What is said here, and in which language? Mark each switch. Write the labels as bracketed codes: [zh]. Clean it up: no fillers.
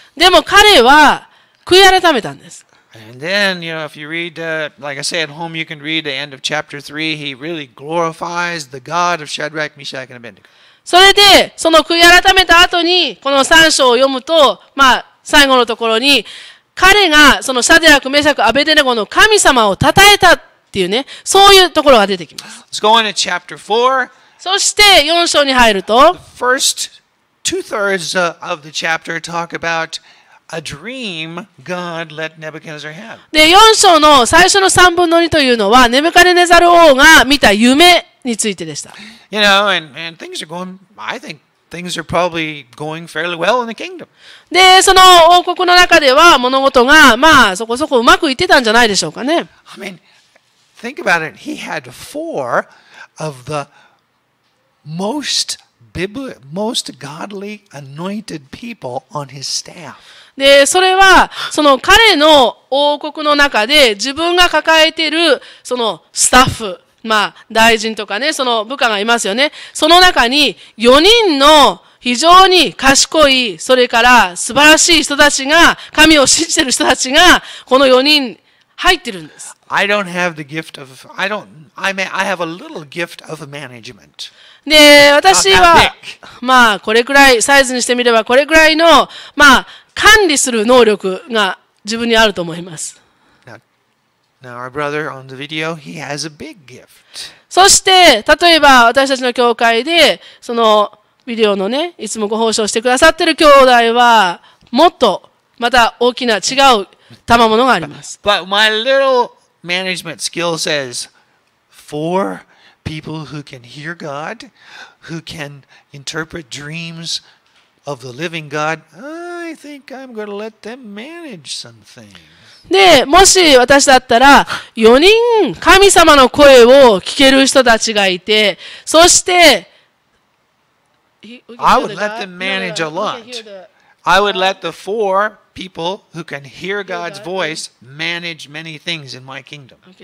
[ja] でも彼は悔い改めたんです。 [en] And then, you know, if you read, like I say at home, you can read the end of chapter 3, he really glorifies the God of Shadrach, Meshach, and Abednego. [ja] それで、その悔い改めた後に、この三章を読むと、まあ、最後のところに、彼がそのシャデラク、メシャク、アベデネゴの神様を称えたっていうね、そういうところが出てきます。 [en] Let's go on to chapter 4. [ja] そして4章に入ると、 [en] The first two-thirds of the chapter talk about a dream God let Nebuchadnezzar have. [ja] で、4章の最初の3分の2というのは、ネブカデネザル王が見た夢についてでした。 [en] You know, and things are going, I think,Things are probably going fairly well in the kingdom. [ja] で、その王国の中では物事がまあそこそこうまくいってたんじゃないでしょうかね。 [en] I mean, think about it. He had four of the most godly anointed people on his staff. [ja] で、それはその彼の王国の中で自分が抱えているそのスタッフ。まあ、大臣とかね、その部下がいますよね。その中に4人の非常に賢い、それから素晴らしい人たちが、神を信じている人たちが、この4人入ってるんです。 [en] I don't have the gift of, I don't, I may, I have a little gift of management. [ja] で、私は、まあ、これくらい、サイズにしてみれば、これくらいの、まあ、管理する能力が自分にあると思います。 [en] Now, our brother on the video, he has a big gift. [ja] そして、例えば私たちの教会で、そのビデオのね、いつもご奉仕してくださってる兄弟は、もっとまた大きな違う賜物があります。 [en] But my little management skill says, four people who can hear God, who can interpret dreams of the living God, I think I'm going to let them manage some things. [ja] で、もし私だったら、4人神様の声を聞ける人たちがいて、そして、 [en] I would let them manage a lot. I would let the four people who can hear God's voice manage many things in my kingdom.